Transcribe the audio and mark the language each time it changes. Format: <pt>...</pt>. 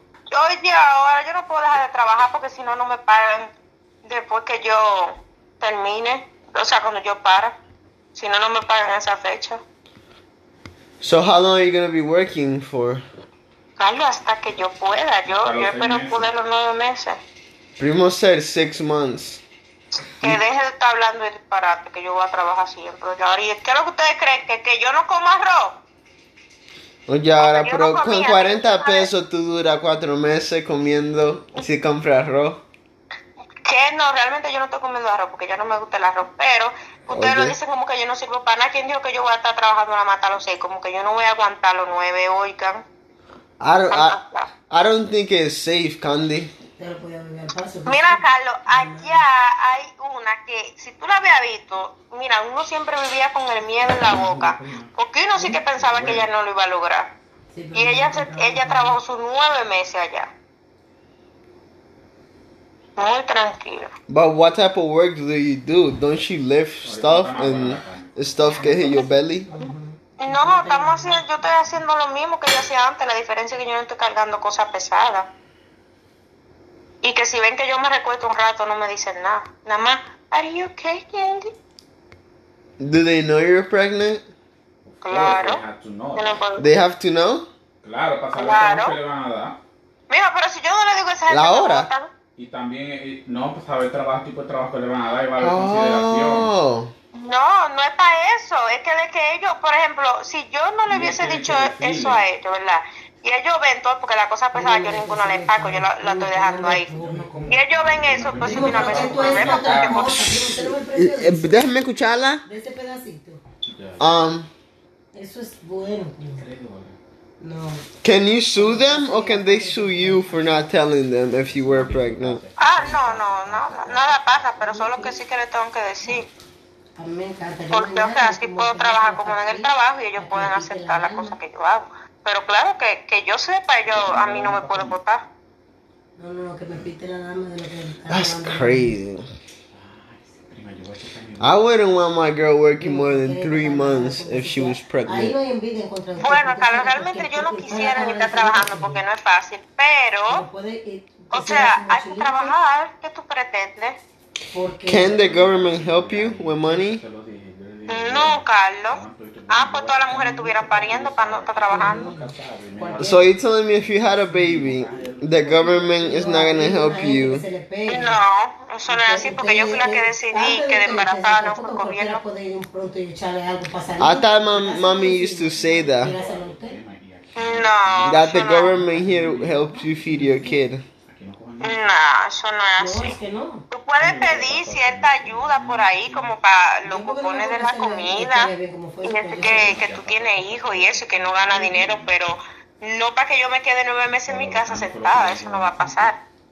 <es>Hoy día ahora yo no puedo dejar de trabajar porque si no, no me pagan. Después que yo termine, o sea, cuando yo para, si no, no me pagan esa fecha.</es> <en>So how long are you going to be working for?</en> <es>Carlos, hasta que yo pueda, yo espero poder los 9 meses. Primo ser</es> <en>6 months.</en> <es>Que deje de estar hablando de disparate, que yo voy a trabajar siempre. Y ahora, ¿y qué es lo que ustedes creen? ¿Que yo no como arroz? Oye, ahora, pero no comía, con 40 pesos tú duras 4 meses comiendo si compras arroz. Que no, realmente yo no estoy comiendo arroz porque ya no me gusta el arroz, pero ustedes lo dicen como que yo no sirvo para nada. ¿Quién dijo que yo voy a estar trabajando a la mata a los 6? Como que yo no voy a aguantar los 9, oigan.</es> <en>I don't think it's safe, Candy.</en> <es>Mira, Carlos, allá hay una que, si tú la habías visto, mira, uno siempre vivía con el miedo en la boca, porque uno sí que pensaba que ella no lo iba a lograr. Y ella trabajó sus 9 meses allá. Muy tranquilo.</es> <en>But what type of work do you do? Don't you lift stuff and stuff get in your belly?</en> <es>No, estamos haciendo, yo estoy haciendo lo mismo que yo hacía antes. La diferencia es que yo no estoy cargando cosas pesadas. Y que si ven que yo me recuesto un rato, no me dicen nada. Nada más,</es> <en>are you okay, Candy? Do they know you're pregnant?</en> <es>Claro.</es> <en>They have to know?</en> <es>Claro, para saber qué le van a dar. Mira, pero si yo no le digo a esa gente... ¿La hora? Y también, no, pues sabe el trabajo, tipo de trabajo que le van a dar y vale consideración. No, no es para eso. Es que de que ellos, por ejemplo, si yo no le hubiese dicho eso a ellos, ¿verdad? Y ellos ven todo, porque la cosa pesada yo ninguna le empaco, yo la estoy dejando ahí. Y ellos ven eso, pues si una vez es un problema. Déjenme escucharla. De ese pedacito. Eso es bueno. No.</es> <en>Can you sue them or can they sue you for not telling them if you were pregnant?</en> <es>No, nada pasa, pero solo que sí que le tengo que decir. Porque, o sea, así puedo trabajar como en el trabajo y ellos pueden aceptar la cosa que yo hago. Pero claro, que yo sepa, ellos a mí no me pueden votar. No, que me pite la dama de lo que...</es> <en>That's crazy. I wouldn't want my girl working more than 3 months if she was pregnant.</en> <es>Bueno, Carlos, realmente yo no quisiera ni estar trabajando porque no es fácil, pero, o sea, hay que trabajar, ¿qué tú pretendes?</es> <en>Can the government help you with money?</en> <es>No, Carlos. Pues todas las mujeres estuvieran pariendo para no estar trabajando.</es> <en>So you're telling me if you had a baby, the government is not going to help you?</en> <es>No, solo era así, porque yo fui la que decidí que de embarazada no fue comiendo.</es> <en>I thought mommy used to say that.</en> <es>No.</es> <en>That the government here helps you feed your kid.</en> <es>No, eso no es así. Tú puedes pedir cierta ayuda por ahí, como para los cupones de la comida, y es que tú tienes hijos y eso, y que no gana dinero, pero no para que yo me quede 9 meses en mi casa sentada, eso no va a pasar.</es>